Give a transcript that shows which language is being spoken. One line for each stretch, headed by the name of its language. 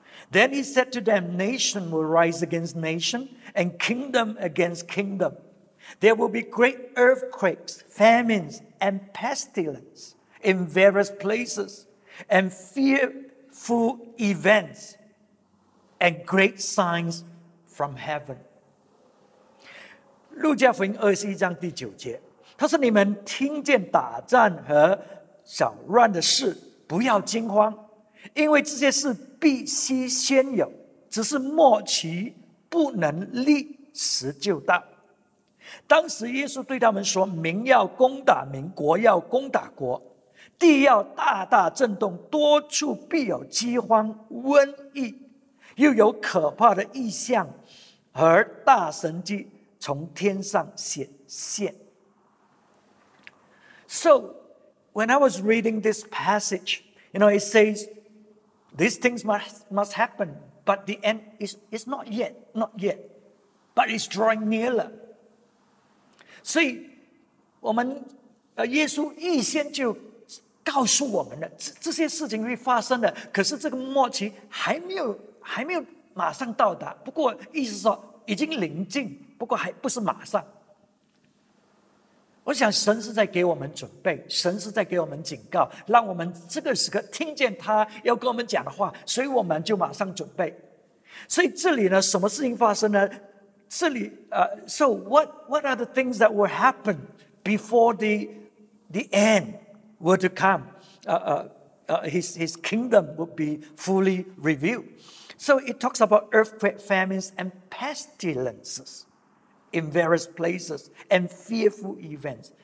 English: Then he said to them, "Nation will rise against nation, and kingdom against kingdom. There will be great earthquakes, famines, and pestilence in various places, and fearful events, and great signs from heaven."
Chinese: 路加福音21:9，他说，你们听见打战和扰乱的事，不要惊慌，因为这些事必须先有，只是末期不能立时就到。当时耶稣对他们说，民要攻打民，国要攻打国，地要大大震动，多处必有饥荒瘟疫，又有可怕的异象和大神迹从天上显现。
English: So when I was reading this passage, you know, it says these things must happen, but the end is not yet, but it's drawing nearer.
Chinese: 所以我们耶稣预先就告诉我们了 这些事情会发生的，可是这个末期还没有马上到达，不过意思说已经临近，不过还不是马上。我想神是在给我们准备，神是在给我们警告，让我们这个时刻听见他要跟我们讲的话，所以我们就马上准备。所以这里呢，什么事情发生呢？
English: So what are the things that will happen before the end were to come? His kingdom would be fully revealed. So it talks about earthquake, famines, and pestilences in various places, and fearful events.